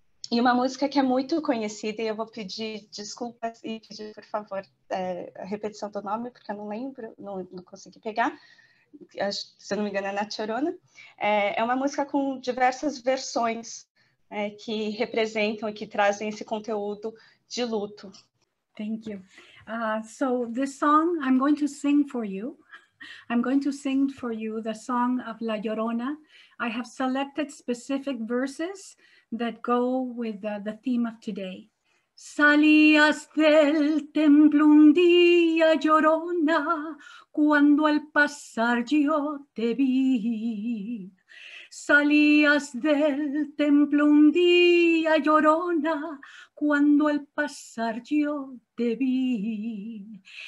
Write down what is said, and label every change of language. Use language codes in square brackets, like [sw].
[pt] E uma música que é muito conhecida, e eu vou pedir desculpas e pedir, por favor, a repetição do nome, porque eu não lembro, não consegui pegar. Se eu não me engano, é Na Chorona. É uma música com diversas versões. Que representam e que trazem esse conteúdo de luto. [en] Thank you. So this song I'm going to sing for you. I'm going to sing for you the song of La Llorona. I have selected specific verses that go with the theme of today. [es] Salías del templo un día, Llorona, cuando al pasar yo te vi. Salías del templo un día, Llorona, cuando al pasar yo te vi.